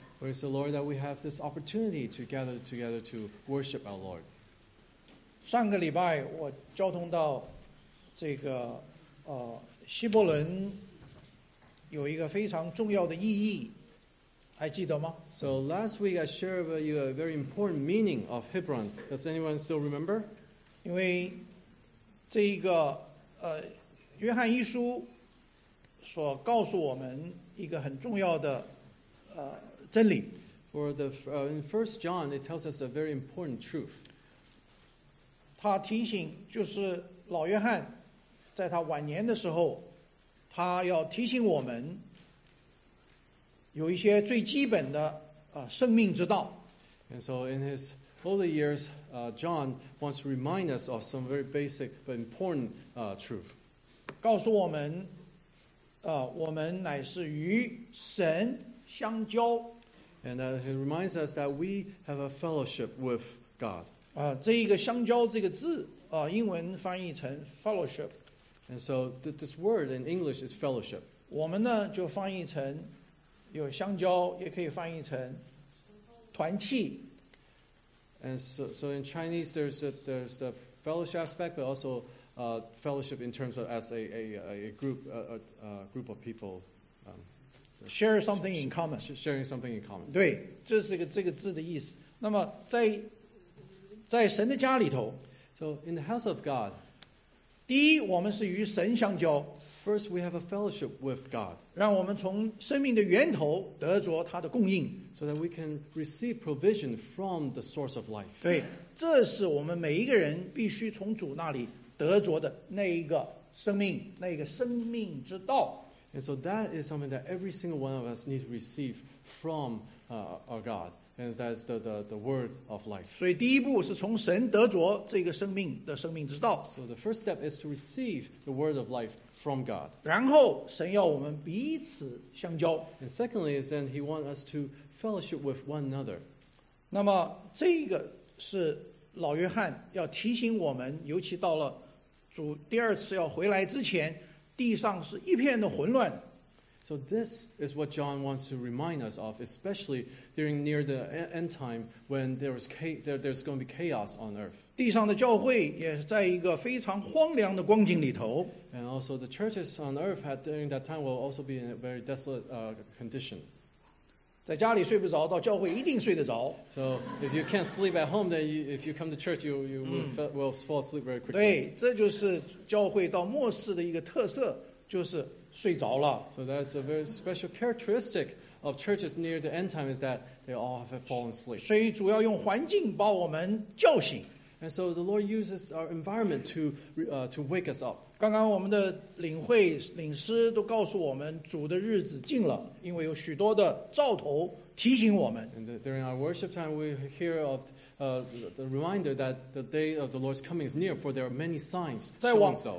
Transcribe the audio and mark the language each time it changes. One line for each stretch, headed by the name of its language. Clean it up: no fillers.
English: Praise the Lord that we have this opportunity to gather together to worship our Lord.
Chinese: 上个礼拜我交通到这个希伯伦有一个非常重要的意义，还记得吗
English: ？So last week I shared with you a very important meaning of Hebron. Does anyone still remember?
Chinese: 因为这一个约翰一书所告诉我们一个很重要的真理。
English: For the in First John, it tells us a very important truth.
Chinese: 他提醒就是老约翰在他晚年的时候，他要提醒我们有一些最基本的生命之道。
English: And so in his older years, John wants to remind us of some very basic but important truth.
Chinese: 告诉我们，我们乃是与神相交。
English: And he reminds us that we have a fellowship with God.
Chinese: 这一个相交这个字，英文翻译成 fellowship.
English: And so this word in English is fellowship.
Chinese: 我们呢就翻译成有相交，也可以翻译成团契。
English: And so in Chinese, there's the fellowship aspect, but also fellowship in terms of as a group of people. Share something in common. Sharing something in common.
Chinese: 对，这是这个字的意思。那么在神的家里头
English: ，So in the house of God,
Chinese: 第一，我们是与神相交。
English: First, we have a fellowship with God.
Chinese: 让我们从生命的源头得着他的供应。
English: So that we can receive provision from the source of life.
Chinese: 对，这是我们每一个人必须从主那里得着的那一个生命，那一个生命之道。
English: And so that is something that every single one of us needs to receive from our God. And that's the word of life.
Chinese: 所以第一步是从神得着这个生命的生命之道。
English: So the first step is to receive the word of life from God.
Chinese: 然后神要我们彼此相交。
English: And secondly is then he wants us to fellowship with one another.
Chinese: 那么这个是老约翰要提醒我们，尤其到了主第二次要回来之前，地上是一片的混乱。
English: So this is what John wants to remind us of, especially during near the end time when there's going to be chaos on earth.
Chinese: 地上的教会也在一个非常荒凉的光景里头。
English: And also the churches on earth during that time will also be in a very desolate condition.
Chinese: 在家里睡不着，到教会一定睡得着。
English: So if you can't sleep at home, then if you come to church, you will fall asleep very quickly.
Chinese: 对，这就是教会到末世的一个特色，就是睡着了。
English: So that's a very special characteristic of churches near the end time is that they all have fallen asleep.
Chinese: 所以主要用环境把我们叫醒。
English: And so the Lord uses our environment to wake us up.
Chinese: 刚刚我们的领会领师都告诉我们主的日子近了，因为有许多的兆头提醒我们。
English: And during our worship time, we hear of the reminder that the day of the Lord's coming is near, for there are many signs showing so.